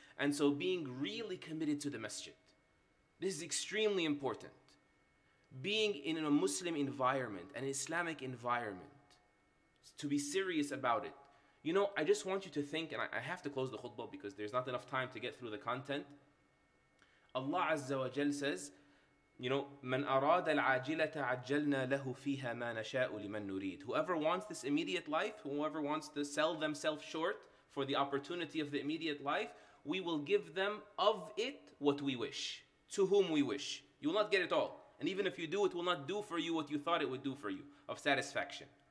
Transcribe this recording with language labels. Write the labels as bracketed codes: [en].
[en] And so being really committed to the masjid, this is extremely important. Being in a Muslim environment, an Islamic environment, to be serious about it. You know, I just want you to think, and I have to close the khutbah because there's not enough time to get through the content. [ar] Allah Azza wa Jal [en] says, you know, [ar] مَنْ أَرَادَ الْعَاجِلَةَ عَجَّلْنَا لَهُ فِيهَا مَا نَشَاءُ لِمَنْ نُرِيدُ. [en] Whoever wants this immediate life, whoever wants to sell themselves short for the opportunity of the immediate life, we will give them of it what we wish, to whom we wish. You will not get it all. And even if you do, it will not do for you what you thought it would do for you, of satisfaction.